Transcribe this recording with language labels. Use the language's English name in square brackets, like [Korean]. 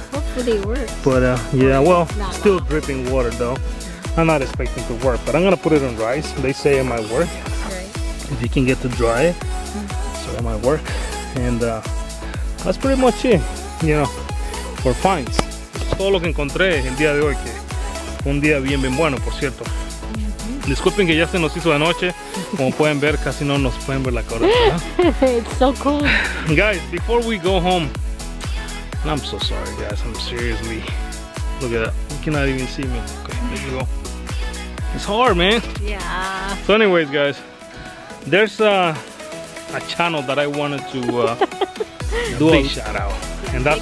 [English] Hopefully it works. But yeah, well, still long. Dripping water though. I'm not expecting to work, but I'm gonna put it on rice. They say it might work. Right. If you can get to dry it, so it might work. And that's pretty much it, you know, for finds. [Spanish] Todo lo que encontré el día de hoy, que un día bien, bien bueno, por cierto. Disculpen que ya se nos hizo de noche. Como pueden ver, casi no nos pueden ver la cara. [English] It's so cool. Guys, before we go home, I'm so sorry, guys. I'm seriously. Look at that. You cannot even see me. Okay, there you go. It's hard, man. Yeah. So, anyways, guys, there's a channel that I wanted to do a big shout out. And that's